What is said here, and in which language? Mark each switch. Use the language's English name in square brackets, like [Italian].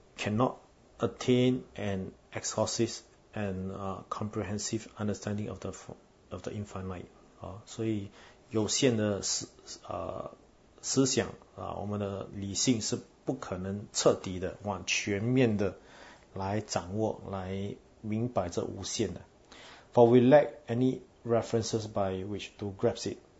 [English] Cannot attain an exhaustive and comprehensive understanding of the infinite. [Chinese] 所以有限的思想我们的理性是不可能彻底的、往全面的来掌握、来明白这无限的。 [English] For we lack any references by which to grasp it.